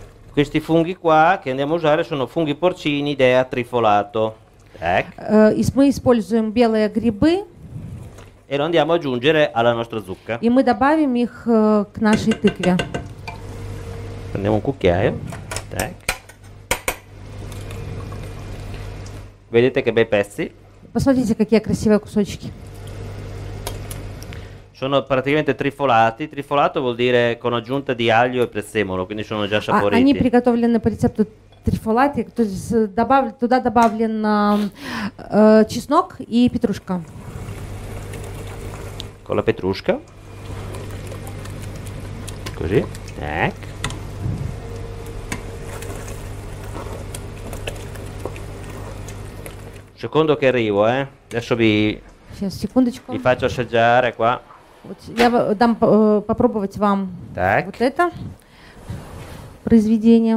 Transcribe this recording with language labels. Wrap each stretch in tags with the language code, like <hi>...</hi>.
<it>Questi funghi qua che andiamo a usare sono funghi porcini Dea trifolato.</it> <ru>Мы используем белые грибы.</ru> <it>E lo andiamo ad aggiungere alla nostra zucca.</it> <ru>И мы добавим их к нашей тыкве.</ru> <it>Prendiamo un cucchiaio. Tac. Vedete che bei pezzi.</it> <ru>Посмотрите, какие красивые кусочки.</ru> <it>Sono praticamente trifolati. Trifolato vuol dire con aggiunta di aglio e prezzemolo, quindi sono già saporiti.</it> <ru>Они приготовлены по рецепту трифолати, то есть туда добавлен чеснок и петрушка.</ru> <it>Con la petrusca. Così. Tac. Secondo che arrivo, adesso vi faccio assaggiare qua.</it> <ru>Я дам попробовать вам вот это произведение.</ru>